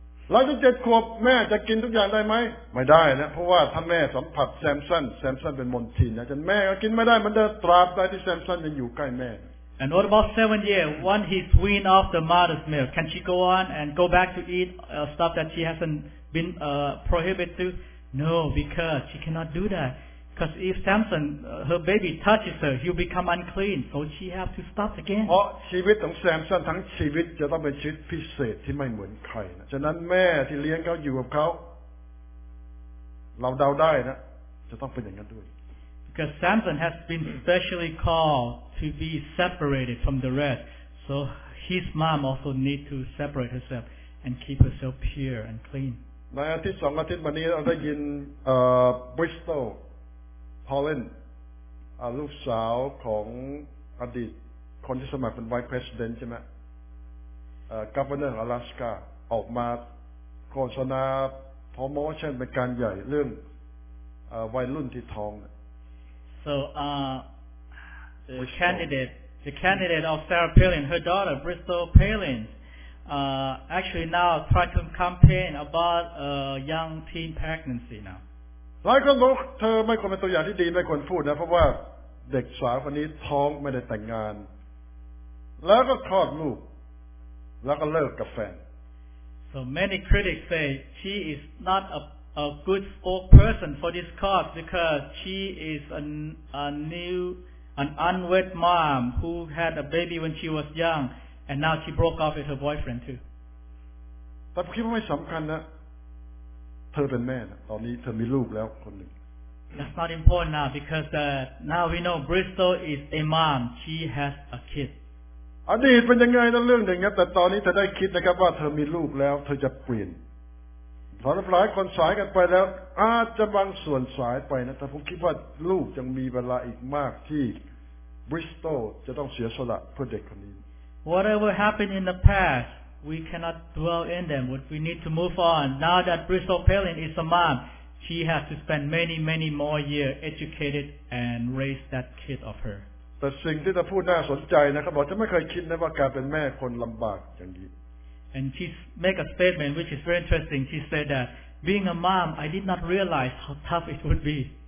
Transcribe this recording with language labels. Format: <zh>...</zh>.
<th>หลังจาก7ขวบแม่จะกินทุกอย่างได้ไหมไม่ได้นะเพราะว่าถ้าแม่สัมผัสแซมสันแซมสันเป็นมลทินนะจนแม่ก็กินไม่ได้เหมือนเดิมตราบใดที่แซมสันยังอยู่ใกล้แม่</th> <en>And what about 7 years? Once he's weaned off the mother's milk, can she go on and go back to eat stuff that she hasn't been prohibited to? No, because she cannot do that. Because if Samson, her baby touches her, he'll become unclean. So she has to stop again.</en> <th>เพราะชีวิตของแซมสันทั้งชีวิตจะต้องเป็นชีวิตพิเศษที่ไม่เหมือนใครนะฉะนั้นแม่ที่เลี้ยงเขาอยู่กับเขาเราเดาได้นะจะต้องเป็นอย่างนั้นด้วย</th> <en>Because Samson has been specially called. To be separated from the rest, so his mom also need to separate herself and keep herself pure and clean.</en> <th>ในอาทิตย์สองอาทิตย์มานี้เราได้ยินBristol, Holland, ลูกสาวของอดีตคนที่สมัครเป็น Vice President ใช่ไหม Governor Alaska ออกมาโฆษณาโปรโมชั่นเป็นการใหญ่เรื่องวัยรุ่นที่ท้อง</th> <en>So. The candidate of Sarah Palin, her daughter, Bristol Palin, actually now tried to campaign about a young teen pregnancy now.</en> <th>หลายคนบอกเธอไม่ควรเป็นตัวอย่างที่ดีไม่ควรพูดนะเพราะว่าเด็กสาวคนนี้ท้องไม่ได้แต่งงานแล้วก็คลอดลูกแล้วก็เลิกกับแฟน</th> <en>So many critics say she is not a good spokesperson for this cause because she is an unwed mom who had a baby when she was young and now she broke off with her boyfriend too</en> <th>แต่ผมคิดว่าไม่สำคัญนะเธอเป็นแม่นะตอนนี้เธอมีลูกแล้วคนหนึ่ง</th> <en>That's not important now because now we know Bristol is a mom she has a kid</en> <th>อดีตเป็นยังไงนั่นเรื่องหนึ่งครับแต่ตอนนี้เธอได้คิดนะครับว่าเธอมีลูกแล้วเธอจะเปลี่ยนสำหรับหลายคนสายกันไปแล้วอาจจะบางส่วนสายไปนะแต่ผมคิดว่าลูกยังมีเวลาอีกมากที่บริสโตลจะต้องเสียสละเพื่อเด็กคนนี้</th> <en>Whatever happened in the past we cannot dwell in them but we need to move on now that Bristol Palin is a mom she has to spend many many more years educated and raise that kid of her</en> <th>แต่สิ่งที่เธอพูดน่าสนใจนะครับบอกจะไม่เคยคิดนะว่าการเป็นแม่คนลำบากอย่างนี้</th> <en>And she made a statement which is very interesting. She said that being a mom, I did not realize how tough it would be.</en>